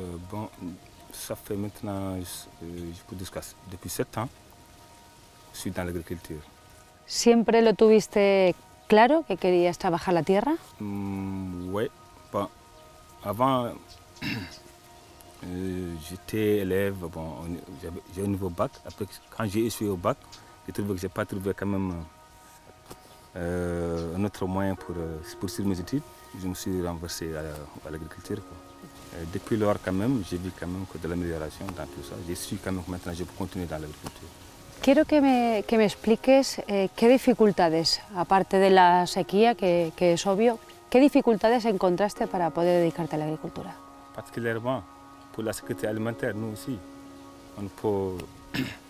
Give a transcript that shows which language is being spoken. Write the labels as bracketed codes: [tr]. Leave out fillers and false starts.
[fr] Bon, ça fait maintenant, je peux dire que depuis 7 ans, je suis dans l'agriculture. [es] ¿Siempre lo tuviste claro que querías trabajar la tierra? [fr] Oui, bon, avant, j'étais élève, bon, j'ai un nouveau bac. Après, quand j'ai échoué au bac, j'ai trouvé que j'ai pas trouvé quand même un autre moyen pour poursuivre mes études. Je me suis renversé à l'agriculture. Depuis lors, quand même, j'ai vu quand même que de l'amélioration dans tout ça. Je suis quand même maintenant, je peux continuer dans l'agriculture. [es] Quiero que me expliques qué dificultades, aparte de la sequía, que es obvio, ¿qué dificultades encontraste para poder dedicarte a la agricultura? Particularmente por la seguridad alimentaria, nosotros también.